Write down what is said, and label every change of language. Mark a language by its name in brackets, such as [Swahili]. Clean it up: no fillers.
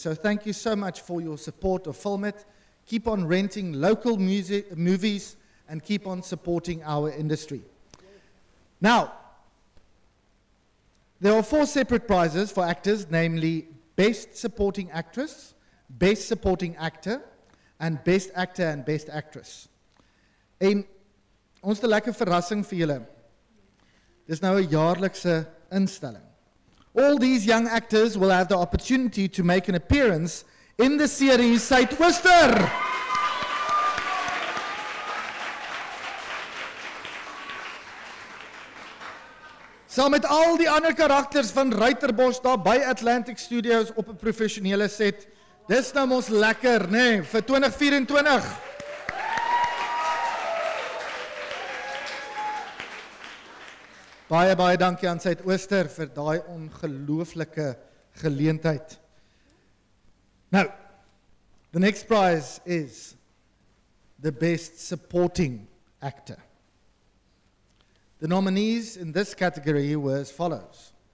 [English] So thank you so much for your support of Filmit. Keep on renting local movies and keep on supporting our industry. Now, there are four separate prizes for actors, namely Best Supporting Actress, Best Supporting Actor, and Best Actor and Best Actress. [Afrikaans] En ons het 'n lekker verrassing vir julle. Dis nou 'n jaarlikse instelling. [English] All these young actors will have the opportunity to make an appearance in the series Suidooster. [Afrikaans] Saam met al die ander karakters van Ruiterbos daar by Atlantic Studios op 'n professionele set. Dis nou mos lekker, né, nee, vir 2024. Baie, baie dankie aan Suidooster vir daai ongelooflike geleentheid. [English] Nou, the next prize is the Best Supporting Actor. The nominees in this category were as follows.